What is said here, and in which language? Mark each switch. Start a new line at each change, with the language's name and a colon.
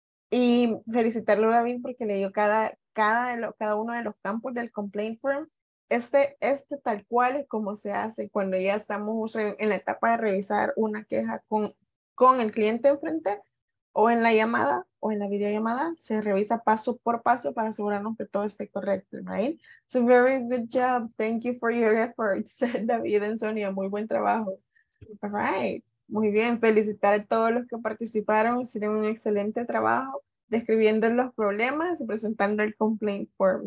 Spanish: Y felicitarlo, David, porque leyó cada uno de los campos del complaint form. Este tal cual es como se hace cuando ya estamos en la etapa de revisar una queja con el cliente enfrente. O en la llamada o en la videollamada, se revisa paso por paso para asegurarnos que todo esté correcto, right?
English: So, very good job. Thank you for your efforts, David and Sonia.
Spanish: Muy buen trabajo.
English: All right.
Spanish: Muy bien. Felicitar a todos los que participaron. Hicieron un excelente trabajo describiendo los problemas y presentando el complaint form.